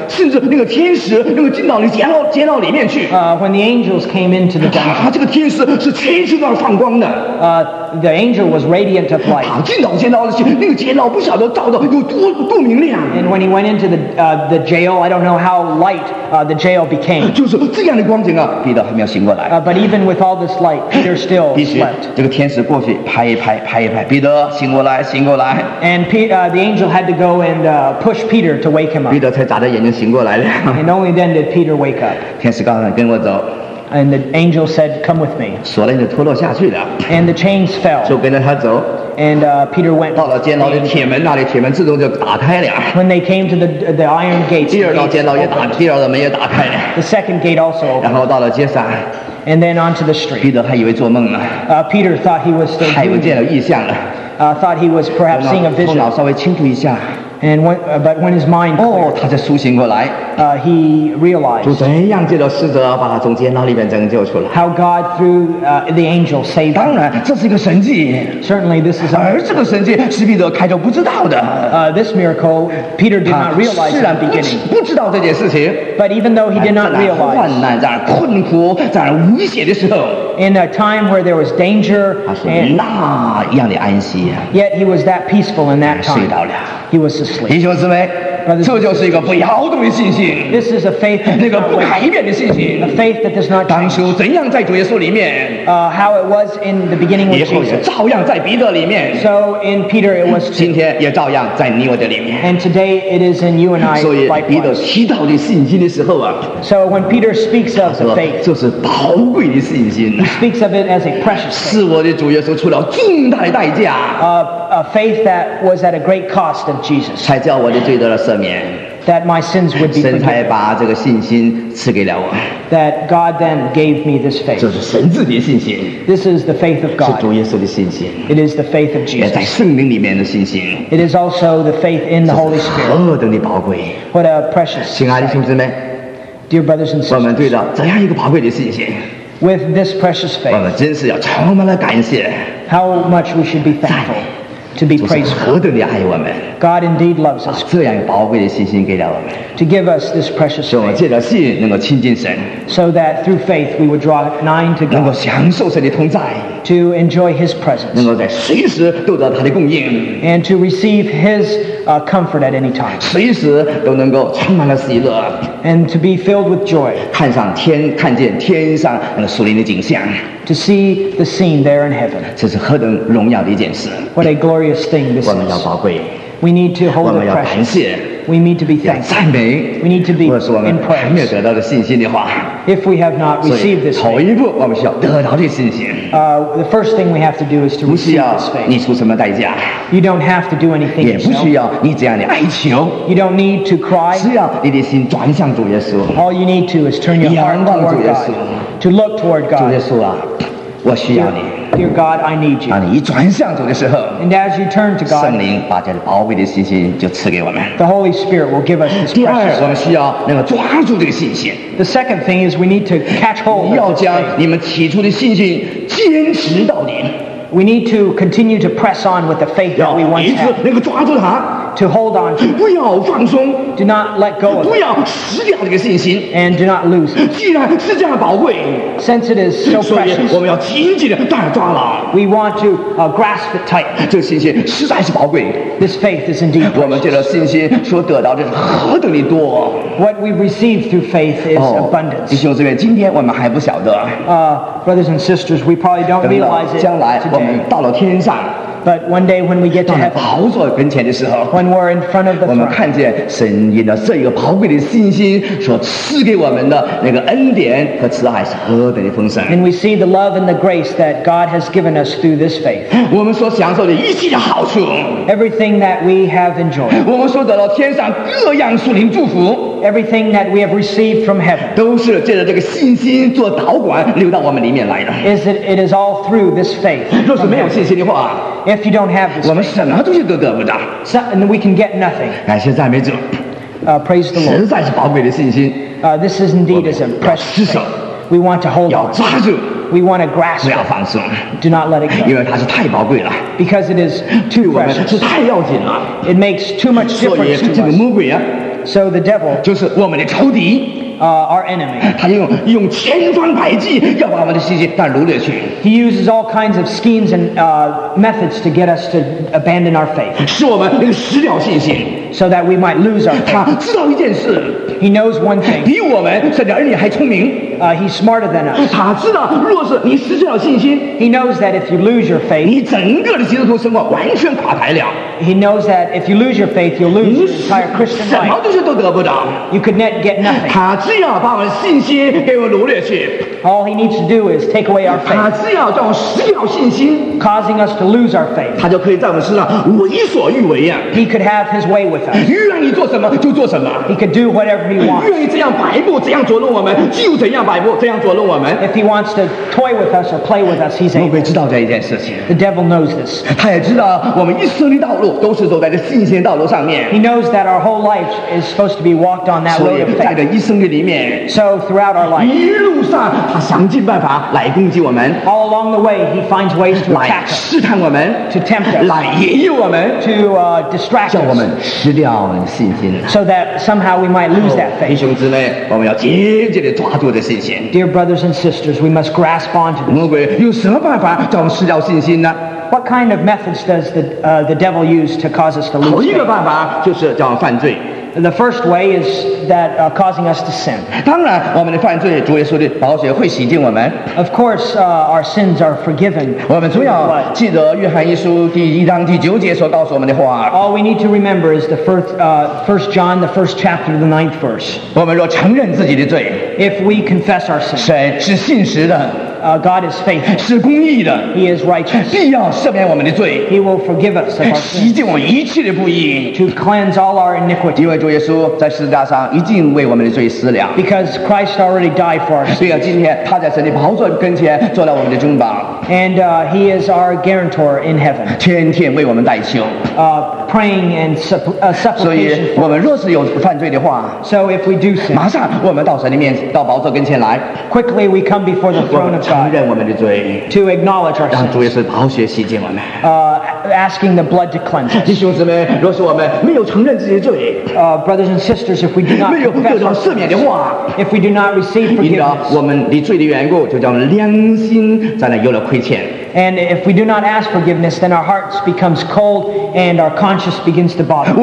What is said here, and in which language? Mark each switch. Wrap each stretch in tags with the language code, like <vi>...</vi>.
<zh>甚至那个天使那个进到监牢里面去。</zh> <en>When the angels came into the dungeon,</en> <zh>这个天使是全身都是放光的。</zh> <en>The angel was radiant of light.</en> <zh>跑进到监牢里去，那个监牢不晓得照的有多明亮。</zh> <en>And when he went into the jail, I don't know how light the jail became.</en> <zh>就是这样的光景啊，彼得还没有醒过来。</zh> <en>But even with all this light, Peter still slept.</en> <zh>这个天使过去拍一拍，拍一拍，彼得醒过来。</zh> <en>And the angel had to go and push Peter to wake him up.</en> <zh>彼得才眨着眼睛醒过来的。</zh> <en>And only then did Peter wake up.</en> <zh>天使告诉他跟我走。</zh> <en>And the angel said, "Come with me."</en> <zh>锁链就脱落下去了。</zh> <en>And the chains fell.</en> <zh>就跟着他走。</zh> <en>And Peter went.</en> <zh>到了监牢的铁门那里，铁门自动就打开了。</zh> <en>When they came to the iron gates,</en> <zh>第二道门也打开了。</zh> <en>The second gate also opened.</en> <zh>然后到了街上。</zh> <en>And then onto the street.</en> <zh>彼得还以为做梦呢。</zh> <en>Peter thought he was still dreaming.</en> <zh>还以为见了异象呢。</zh> <en>Thought he was perhaps seeing a vision.</en> <zh>头脑稍微清楚一下。</zh> <en>And when, but when his mind cleared,</en> <zh>他才苏醒过来。</zh> <en>He realized</en> <zh>主怎样借着使者把他从监牢里面拯救出来。</zh> <en>How God through the angel saved him.</en> <zh>当然，这是一个神迹。</zh> <en>Certainly, this is.</en> <zh>而这个神迹是彼得开头不知道的。</zh> <en>This miracle Peter did not realize in the beginning.</en> <zh>不知道这件事情。</zh> <en>But even though he did not realize,</en> <zh>在患难、在困苦、在危险的时候。</zh> <en>In a time where there was danger,</en> <zh>他是那样的安息。</zh> <en>Yet he was that peaceful in that time.</en> <zh>睡着了。</zh> <en>He was asleep.</en> <zh>弟兄姊妹，这就是一个不摇动的信心。</zh> <en>This is a faith that</en> <zh>那个不改变的信心。</zh> <en>A faith that does not change.</en> <zh>当初怎样在主耶稣里面？</zh> <en>How it was in the beginning with Jesus.</en> <zh>以后是照样在彼得里面。</zh> <en>So in Peter it was.</en> <zh>今天也照样在你我的里面。</zh> <en>And today it is in you and I.</en> <zh>所以彼得提到的信心的时候啊。</zh> <en>So when Peter speaks of the faith.</en> <zh>这是宝贵的信心。</zh> <en>He speaks of it as a precious faith.</en> <zh>是我的主耶稣出了重大的代价。</zh> <en>A faith that was at a great cost of Jesus.</en> <zh>才叫我的罪得了赦免。</zh> <en>That my sins would be forgiven.</en> <zh>神才把这个信心赐给了我。</zh> <en>That God then gave me this faith.</en> <zh>这是神自己的信心。</zh> <en>This is the faith of God.</en> <zh>是主耶稣的信心。</zh> <en>It is the faith of Jesus.</en> <zh>也在圣灵里面的信心。</zh> <en>It is also the faith in the Holy Spirit.</en> <zh>这是何等的宝贵。</zh> <en>What a precious.</en> <zh>亲爱的兄弟们。</zh> <en>Dear brothers and sisters.</en> <zh>我们对着怎样一个宝贵的信心。</zh> <en>With this precious faith.</en> <zh>我们真是要充满了感谢。</zh> <en>How much we should be thankful. To be praised for.</en> <zh>主是何等的爱我们。</zh> <en>God indeed loves us.</en> <zh>这样宝贵的信心给了我们。</zh> <en>To give us this precious faith.</en> <zh>使我们借着信能够亲近神。</zh> <en>So that through faith we would draw nigh to God.</en> <zh>能够享受神的同在。</zh> <en>To enjoy His presence.</en> <zh>能够在随时都得到他的供应。</zh> <en>And to receive His comfort at any time.</en> <zh>随时都能够充满了喜乐。</zh> <en>And to be filled with joy.</en> <zh>看见天上那个属灵的景象。</zh> <en>To see the scene there in heaven.</en> <zh>这是何等荣耀的一件事。</zh> <en>What a glorious thing this is.</en> <zh>我们要宝贵。</zh> <en>We need to hold the precious. We need to be thankful.</en> <zh>赞美。</zh> <en>We need to be in praise.</en> <zh>或者是我们还没有得到的信心的话。</zh> <en>If we have not received this faith.</en> <zh>所以头一步我们需要得到这信心。</zh> <en>The first thing we have to do is to receive this faith.</en> <zh>不需要你出什么代价。</zh> <en>You don't have to do anything yourself.</en> <zh>也不需要你这样的哀求。</zh> <en>You don't need to cry.</en> <zh>只要你的心转向主耶稣。</zh> <en>All you need to is turn your heart toward God. To look toward God.</en> <zh>主耶稣啊，我需要你。</zh> <en>Dear God, I need you.</en> <zh>当你一转向主的时候，</zh> <en>and as you turn to God,</en> <zh>圣灵把这宝贵的信心就赐给我们。</zh> <en>The Holy Spirit will give us this precious.</en> <zh>第二，我们需要能够抓住这个信心。</zh> <en>The second thing is we need to catch hold.</en> <zh>你要将你们起初的信心坚持到底。</zh> <en>We need to continue to press on with the faith that we once had.</en> <zh>要一直能够抓住它。</zh> <en>To hold on to.</en> <zh>不要放松。</zh> <en>Do not let go of it.</en> <zh>不要失掉这个信心。</zh> <en>And do not lose it.</en> <zh>既然是这样宝贵。</zh> <en>Since it is so precious.</en> <zh>所以我们要紧紧地带着抓牢。</zh> <en>We want to grasp it tight.</en> <zh>这个信心实在是宝贵。</zh> <en>This faith is indeed precious.</en> <zh>我们借着信心所得到的何等的多。</zh> <en>What we receive through faith is abundance.</en> <zh>弟兄姊妹，今天我们还不晓得。</zh> <en>Brothers and sisters, we probably don't realize it.</en> <zh>将来我们到了天上。</zh> <en>But one day when we get to heaven,</en> <zh>宝座跟前的时候，</zh> <en>when we're in front of the throne,</en> <zh>我们看见神因着这一个宝贵的信心所赐给我们的那个恩典和慈爱是何等的丰盛。</zh> <en>And we see the love and the grace that God has given us through this faith.</en> <zh>我们所享受的一切的好处，</zh> <en>everything that we have enjoyed,</en> <zh>我们所得到天上各样属灵祝福，</zh> <en>everything that we have received from heaven,</en> <zh>都是借着这个信心做导管流到我们里面来的。</zh> <en>It is all through this faith.</en> <zh>若是没有信心的话。</zh> <en>If you don't have this,</en> <zh>我们什么东西都得不到。</zh> <en>And we can get nothing.</en> <zh>感谢赞美主。</zh> <en>Praise the Lord.</en> <zh>实在是宝贵的信心。</zh> <en>This is indeed as precious. We want to hold on. We want to grasp it. Do not let it go. Because it is too precious. It makes too much difference to us.</en> <zh>魔鬼啊,</zh> <en>so the devil,</en> <zh>就是我们的仇敌,</zh> <en>our enemy,</en> <zh>他用千方百计要把我们的信心带掳掠去。</zh> <en>He uses all kinds of schemes and methods to get us to abandon our faith.</en> <zh>使我们那个失掉信心。</zh> <en>So that we might lose our faith.</en> <zh>他知道一件事。</zh> <en>He knows one thing.</en> <zh>比我们甚至而且还聪明。</zh> <en>He's smarter than us.</en> <zh>他知道若是你失去了信心,</zh> <en>He knows that if you lose your faith,</en> <zh>你整个的基督徒生活完全垮台了。</zh> <en>He knows that if you lose your faith, you'll lose your entire Christian life.</en> <zh>什么东西都得不到。</zh> <en>You could net get nothing.</en> <zh>他只要把我们信心给我掳掠去。</zh> <en>All he needs to do is take away our faith.</en> <zh>他只要叫我失掉信心。</zh> <en>Causing us to lose our faith.</en> <zh>他就可以在我们身上为所欲为啊。</zh> <en>He could have his way with us.</en> <zh>愿意做什么就做什么。</zh> <en>He could do whatever he wants.</en> <zh>愿意这样摆布，这样捉弄我们，就怎样摆布，这样捉弄我们。</zh> <en>If he wants to toy with us or play with us, he's able.</en> <zh>魔鬼知道这一件事情。</zh> <en>The devil knows this.</en> <zh>他也知道我们一生的道路都是走在这信心的道路上面。</zh> <en>He knows that our whole life is supposed to be walked on that road of faith.</en> <zh>所以在这一生的里面。</zh> <en>So throughout our life.</en> <zh>一路上。他想尽办法来攻击我们</zh> <en>All along the way, he finds ways to attack us,</en> <zh>来试探我们</zh> <en>to tempt us,</en> <zh>来引诱我们</zh> <en>to, distract us,</en> <zh>叫我们失掉信心</zh> <en>so that somehow we might lose that faith.</en> <zh>弟兄姊妹我们要紧紧地抓住这信心</zh> <en>Dear brothers and sisters, we must grasp onto this.</en> <zh>魔鬼有什么办法叫我们失掉信心呢</zh> <en>What kind of methods does the devil use to cause us to lose faith?</en> <zh>头一个办法就是叫我们犯罪</zh> <en>The first way is that causing us to sin.</en> <zh>当然我们的犯罪主耶稣的宝血会洗净我们</zh> <en>Of course, our sins are forgiven.</en> <zh>我们主要记得约翰一书第一章第九节所告诉我们的话</zh> <en>All we need to remember is the first John, the first chapter, the ninth verse.</en> <zh>我们若承认自己的罪</zh> <en>If we confess our sins.</en> <zh>神是信实的</zh> <en>God is faithful.</en> <zh>是公义的</zh> <en>He is righteous.</en> <zh>必要赦免我们的罪</zh> <en>He will forgive us of our sins.</en> <zh>洗净我一切的不义</zh> <en>To cleanse all our iniquity.</en> <zh>因为主耶稣在十字架上已经为我们的罪死了。</zh> <en>Because Christ already died for us.</en> <zh>所以今天他在神的宝座跟前做了我们的中保。</zh> <en>And he is our guarantor in heaven.</en> <zh>天天为我们代求。</zh> <en>Praying and supplication.</en> <zh>所以我们若是有犯罪的话</zh> <en>So if we do sin.</en> <zh>马上我们到神的面到宝座跟前来。</zh> <en>Quickly we come before the throne of God.</en> <zh>承认我们的罪。</zh> <en>To acknowledge our sins.</en> <zh>让主耶稣宝血洗净我们。</zh> <en>Asking the blood to cleanse us.</en> <zh>弟兄姊妹若是我们没有承认自己的罪。</zh> <en>Brothers and sisters, if we do not confess our sins, if we do not receive forgiveness, and if we do not ask forgiveness, then our hearts become cold and our conscience begins to bother.</en>